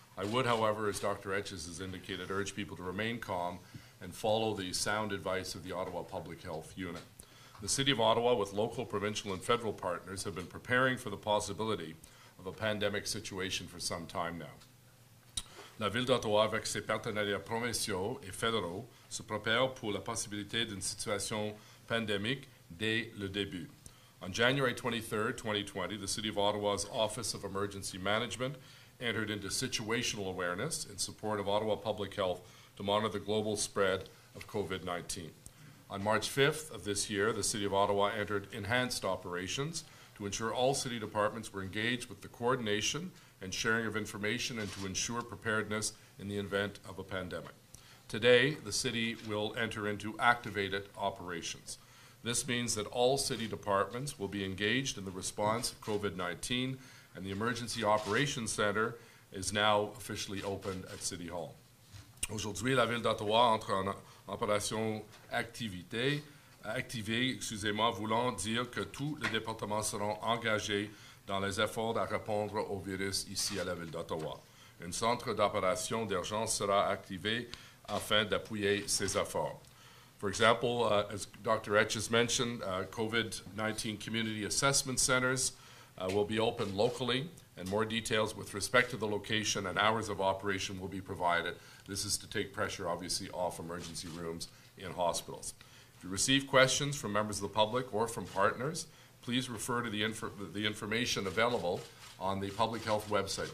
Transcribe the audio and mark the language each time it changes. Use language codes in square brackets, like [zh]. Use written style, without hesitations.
[en] I would, however, as Dr. Etches has indicated, urge people to remain calm and follow the sound advice of the Ottawa Public Health Unit. The city of Ottawa, with local, provincial, and federal partners, have been preparing for the possibility of a pandemic situation for some time now. [fr] La Ville d'Ottawa, avec ses partenariats provinciaux et fédéraux, se prépare pour la possibilité d'une situation pandémique dès le début. [en] On January 23, 2020, the City of Ottawa's Office of Emergency Management entered into situational awareness in support of Ottawa Public Health to monitor the global spread of COVID-19. On March 5th of this year, the City of Ottawa entered enhanced operations to ensure all city departments were engaged with the coordination and sharing of information and to ensure preparedness in the event of a pandemic. Today, the city will enter into activated operations. This means that all city departments will be engaged in the response of COVID-19, and the Emergency Operations Center is now officially opened at City Hall. [fr] Aujourd'hui, la Ville d'Ottawa entre en opération activée, voulant dire que tous les départements seront engagés dans les efforts à répondre au virus ici à la Ville d'Ottawa. Un centre d'opération d'urgence sera activé afin d'appuyer ces efforts. [en] For example, as Dr. Etch has mentioned, COVID-19 community assessment centers will be open locally, and more details with respect to the location and hours of operation will be provided. This is to take pressure, obviously, off emergency rooms in hospitals. If you receive questions from members of the public or from partners, please refer to the information available on the public health website.